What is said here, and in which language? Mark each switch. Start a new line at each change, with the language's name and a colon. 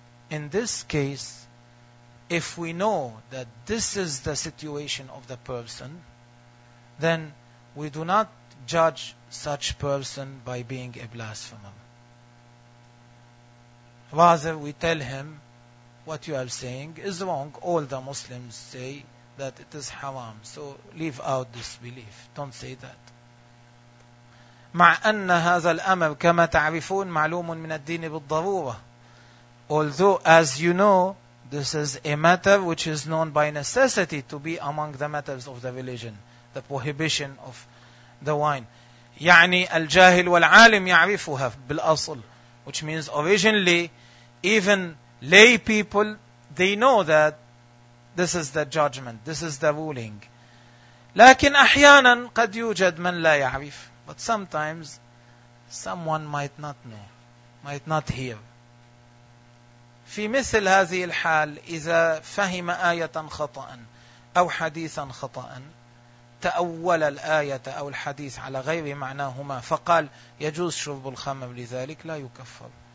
English: In this case, if we know that this is the situation of the person, then we do not judge such person by being a blasphemer. Rather, we tell him, what you are saying is wrong. All the Muslims say that it is haram. So leave out this belief. Don't say that.
Arabic: مع أن هذا الأمر كما تعرفون معلوم من الدين بالضرورة.
English: Although, as you know, this is a matter which is known by necessity to be among the matters of the religion, the prohibition of the wine.
Arabic: يعني الجاهل والعالم يعرفها بالأصل,
English: which means originally, even lay people, they know that this is the judgment, this is the ruling.
Arabic: لكن أحيانا قد يوجد من لا يعرف.
English: But sometimes, someone might not know, might not hear.
Arabic: في مثل هذه الحال إذا فهم آية خطأ أو حديثا خطأ تأول الآية أو الحديث على غير معناهما فقال يجوز شرب الخمر لذلك لا يكفر.